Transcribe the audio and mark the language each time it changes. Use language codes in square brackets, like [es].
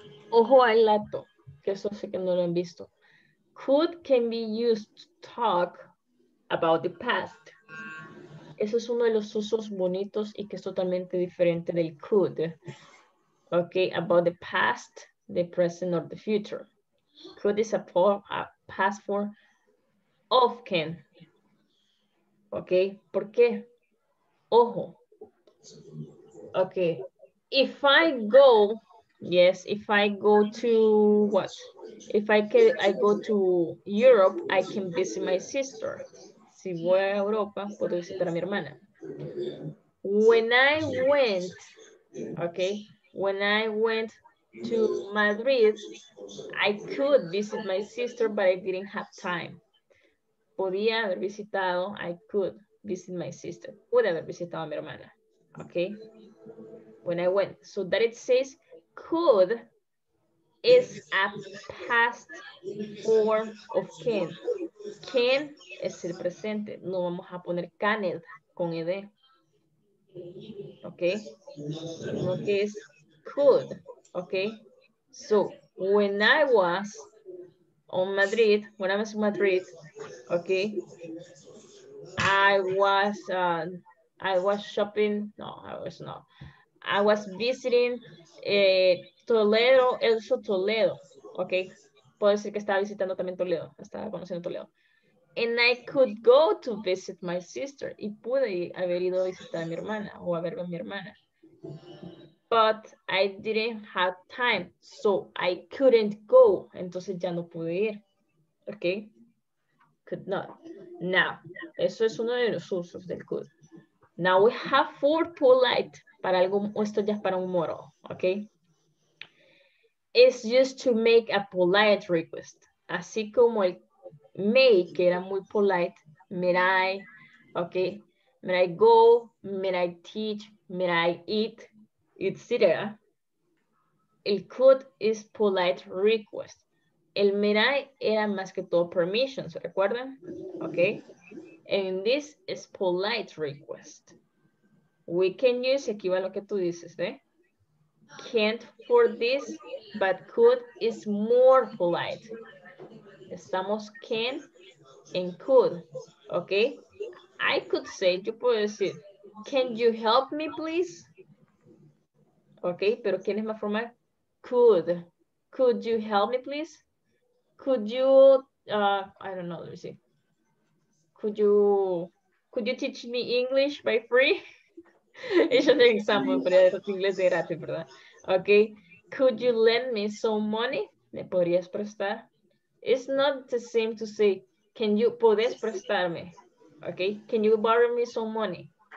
[es] Ojo al lato, que eso sé que no lo han visto. [en] Could can be used to talk about the past. [es] Eso es uno de los usos bonitos y que es totalmente diferente del could. [en] Okay, about the past, the present, or the future. Could is a past form of can. Okay, [es] ¿por qué? Ojo. [en] Okay, if I go... Yes, if I go to what? If I can, I go to Europe, I can visit my sister. [es] Si voy a Europa, puedo visitar a mi hermana. [en] When I went, okay, when I went to Madrid, I could visit my sister, but I didn't have time. [es] Podía haber visitado, [en] I could visit my sister. [es] Pude haber visitado a mi hermana. [en] Okay, when I went. So that it says, could is a past form of can. [es] Can es el presente. No vamos a poner caned con ed. Okay. Lo que es could. Okay. [en] So when I was on Madrid, when I was in Madrid, okay, I was shopping. No, I was not. I was visiting Toledo, Elso Toledo, okay? [es] Puedo decir que estaba visitando también Toledo, estaba conociendo Toledo. [en] And I could go to visit my sister. [es] Y pude haber ido a visitar a mi hermana o a ver a mi hermana. [en] But I didn't have time, so I couldn't go. [es] Entonces ya no pude ir, okay? [en] Could not. [es] Now, eso es uno de los usos del could. [en] Now we have four polite. [es] Para algo, esto ya es para un moro, okay? [en] It's just to make a polite request. [es] Así como el may, que era muy polite, may I, okay? [en] May I go, may I teach, may I eat, etc. [es] El [en] could is polite request. [es] El may I era más que todo permission, ¿se recuerdan? Okay? [en] And this is polite request. We can use, [es] aquí va lo que tú dices, ¿eh? [en] Can't for this, but could is more polite. [es] Estamos can and could, okay? [en] I could say, [es] yo puedo decir, [en] can you help me, please? Okay, [es] pero ¿quién es más formal? [en] Could. Could you help me, please? Could you, I don't know, let me see. Could you teach me English by free? [es] Es un ejemplo, pero es inglés de gratis, ¿verdad? [en] Ok. Could you lend me some money? [es] ¿Me podrías prestar? [en] It's not the same to say, can you, [es] ¿puedes prestarme? [en] Ok. Can you borrow me some money?